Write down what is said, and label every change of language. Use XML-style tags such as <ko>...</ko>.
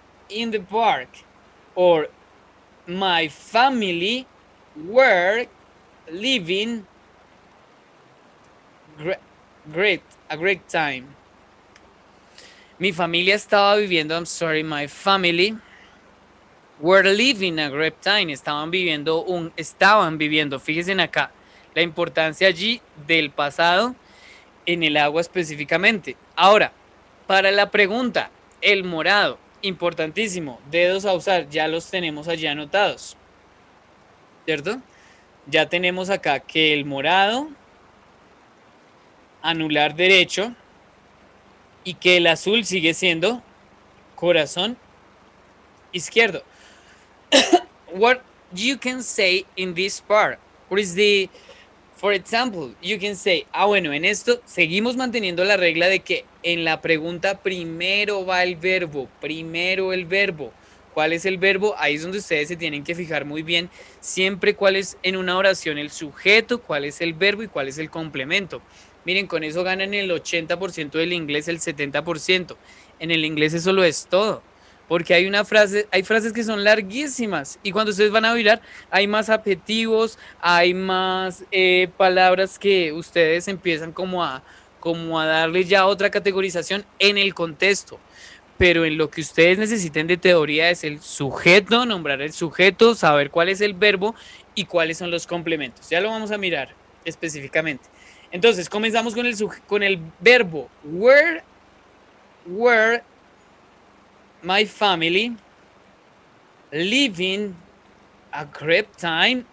<en>in the park, or my family were living a great time.</en> <es>Mi familia estaba viviendo,</es> <en>I'm sorry, my family were living a great time.</en> <es>Estaban viviendo, fíjense acá, la importancia allí del pasado en el agua específicamente. Ahora, para la pregunta, el morado, importantísimo, dedos a usar, ya los tenemos allí anotados, ¿cierto? Ya tenemos acá que el morado, anular derecho, y que el azul sigue siendo corazón izquierdo.</es> <en>What you can say in this part? What is the, for example, you can say,</en> <es>ah, bueno, en esto seguimos manteniendo la regla de que en la pregunta primero va el verbo, primero el verbo. ¿Cuál es el verbo? Ahí es donde ustedes se tienen que fijar muy bien siempre cuál es en una oración el sujeto, cuál es el verbo y cuál es el complemento. Miren, con eso ganan el 80% del inglés, el 70%. En el inglés eso lo es todo. Porque hay una frase, hay frases que son larguísimas. Y cuando ustedes van a mirar, hay más adjetivos, hay más palabras que ustedes empiezan como a darle ya otra categorización en el contexto. Pero en lo que ustedes necesiten de teoría es el sujeto, nombrar el sujeto, saber cuál es el verbo y cuáles son los complementos. Ya lo vamos a mirar específicamente. Entonces, comenzamos con el verbo</es> <en>were my family living a great time.</en>